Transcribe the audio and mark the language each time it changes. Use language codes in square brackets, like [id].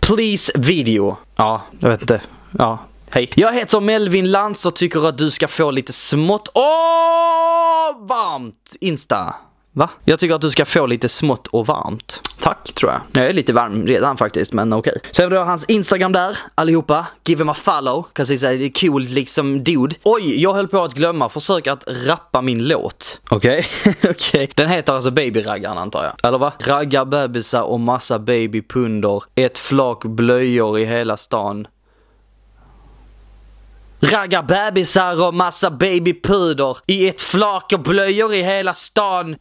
[en] Please video. [sv] Ja, jag vet inte, ja. Hej, jag heter Melvin Lantz och tycker att du ska få lite smått och varmt Insta. Va? Jag tycker att du ska få lite smått och varmt. Tack, tror jag. Jag är lite varm redan faktiskt, men okej. Sen har du hans Instagram där, allihopa. [en] Give him a follow, cause he's a cool liksom dude. [sv] Oj, jag höll på att glömma. Försök att rappa min låt. Okej. Den heter alltså Babyraggan, antar jag. Eller va? Ragga bebisar och massa babypunder. Ett flak blöjor i hela stan. Ragga bebisar och massa babypuder i ett flak och blöjor i hela stan.